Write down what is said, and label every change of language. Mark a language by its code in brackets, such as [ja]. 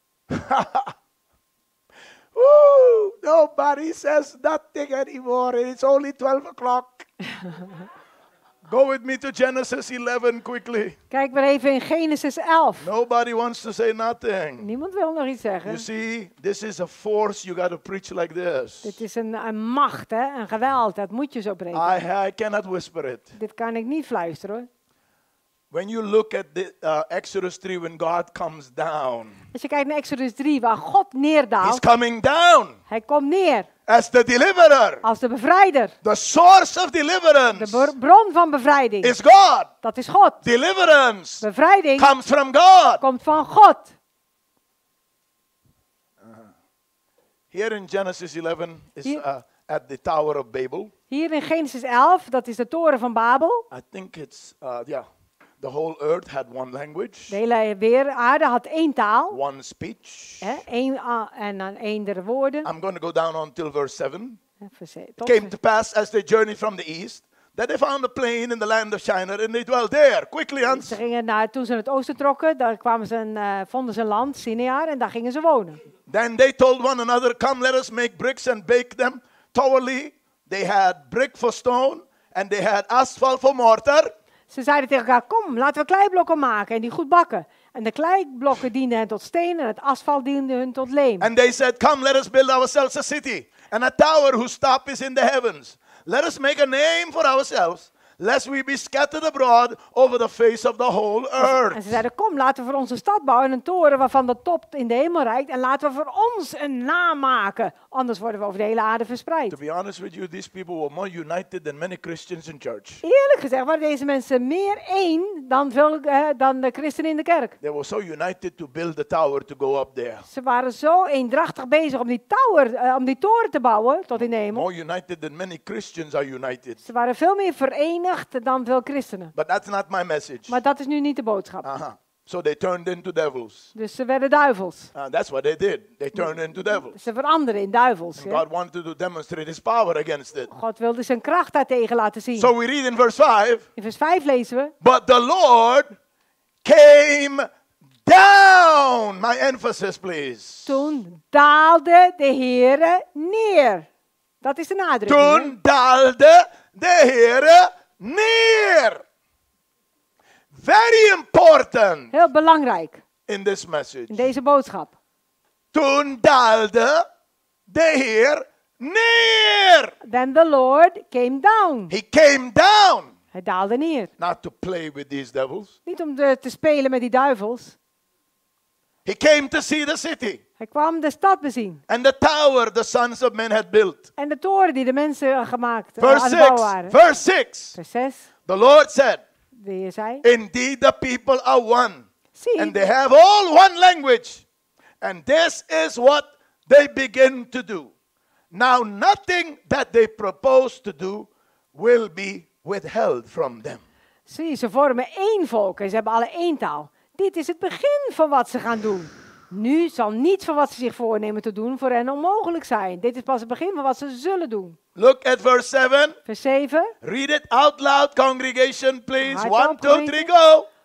[en] Ooh, nobody says nothing anymore. It's only 12 o'clock. Go with me to Genesis 11 quickly. [nl] Kijk maar even in Genesis 11. [en] Nobody wants to say nothing. [nl] Niemand wil nog iets zeggen. [en] You see, this is a force, you got to preach like this. [nl] Dit is een macht, hè? Een geweld, dat moet je zo preken. [en] I cannot whisper it. [nl] Dit kan ik niet fluisteren. [en] When you look at the Exodus 3 when God comes down. [nl] Als je kijkt naar Exodus 3 waar God neerdaalt. [en] He's coming down. [nl] Hij komt neer. [en] As the deliverer. [nl] Als de bevrijder. [en] The source of deliverance. [nl] De bron van bevrijding. [en] Is God. [nl] Dat is God. [en] Deliverance. [nl] Bevrijding. [en] Comes from God. [nl] Komt van God. [en] Here in Genesis 11 is at the Tower of Babel. [nl] Hier in Genesis 11, dat is de toren van Babel. [en] I think it's the whole earth had one language. [nl] De hele aarde had één taal. [en] One speech. [nl] En dan eendere woorden. [en] I'm going to go down until verse 7. It came to pass as they journeyed from the east that they found a plain in the land of Shinar and they dwelt there. Quickly, Hans. [nl] Ze gingen naar, toen ze naar het oosten trokken, daar kwamen ze vonden ze een land, Sinear, en daar gingen ze wonen. [en] Then they told one another, come, let us make bricks and bake them thoroughly. They had brick for stone and they had asphalt for mortar. [nl] Ze zeiden tegen elkaar, kom, laten we kleiblokken maken en die goed bakken. En de kleiblokken dienden hen tot steen en het asfalt diende hun tot leem. [en] And they said, come, let us build ourselves a city and a tower whose top is in the heavens. Let us make a name for ourselves, lest we be scattered abroad over the face of the whole earth. [nl] En ze zeiden, kom, laten we voor onze stad bouwen een toren waarvan de top in de hemel reikt. En laten we voor ons een naam maken, anders worden we over de hele aarde verspreid. [en] To be honest with you, these people were more united than many Christians in church. [nl] Eerlijk gezegd waren deze mensen meer één dan, dan de christenen in de kerk. [en] They were so united to build the tower to go up there. [nl] Ze waren zo eendrachtig bezig om die tower, om die toren te bouwen tot in de hemel. [en] More united than many Christians are united. [nl] Ze waren veel meer verenigd dan veel christenen. [en] But that's not my message. [nl] Maar dat is nu niet de boodschap. [en] Aha. So they turned into devils. [nl] Dus ze werden duivels. [en] That's what they did. They turned into devils. [nl] Ze veranderden in duivels. [en] And God wanted to demonstrate his power against it. [nl] God wilde zijn kracht daartegen laten zien. [en] So we read in verse 5. [nl] In vers 5 lezen we. [en] But the Lord came down. My emphasis please. [nl] Toen daalde de Heere neer. Dat is de nadruk. Toen daalde de Heere neer. [en] Very important. [nl] Heel belangrijk. [en] In this message. [nl] In deze boodschap. Toen daalde de Heer neer. [en] Then the Lord came down. He came down. [nl] Hij daalde neer. [en] Not to play with these devils. [nl] Niet om te spelen met die duivels. [en] He came to see the city. [nl] Hij kwam de stad bezien. [en] And the tower the sons of men had built. [nl] En de toren die de mensen gemaakt [en] Verse 6. The Lord said. Indeed, the people are one. See, and they have all one language. And this is what they begin to do. Now, nothing that they propose to do will be withheld from them. [nl] Zie, ze vormen één volk en ze hebben alle één taal. Dit is het begin van wat ze gaan doen. Nu zal niets van wat ze zich voornemen te doen voor hen onmogelijk zijn. Dit is pas het begin van wat ze zullen doen. [en] Look at verse 7. [nl] Vers 7. [en] Read it out loud, congregation, please. 1, 2, 3, go.